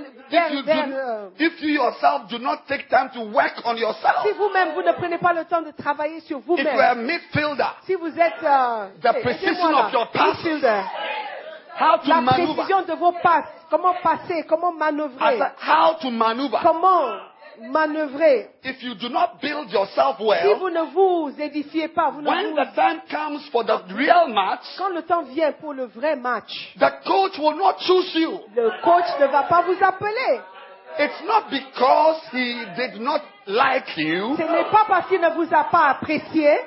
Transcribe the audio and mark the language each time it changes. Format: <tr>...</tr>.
<en>If you yourself do not take time to work on yourself,</en> <fr>si vous-même vous ne prenez pas le temps de travailler sur vous-même,</fr> <en>if you are a midfielder,</en> <fr>si vous êtes</fr> <en>the precision of your passes, midfielder, How to</en> <fr>la</fr> <en>maneuver.</en> <fr>Précision de vos pas. Comment passer? Comment manœuvrer?</fr> <en>As a, how to maneuver.</en> <fr>Comment manœuvrer?</fr> <en>If you do not build yourself well,</en> <fr>si vous ne vous édifiez pas, vous ne</fr> <en>when</en> <fr>vous...</fr> <en>the time comes for the real match,</en> <fr>quand le temps vient pour le vrai match,</fr> <en>the coach will not choose you.</en> <fr>Le coach ne va pas vous appeler.</fr> <en>It's not because he did not like you.</en> <fr>Ce n'est pas parce qu'il ne vous a pas apprécié.</fr>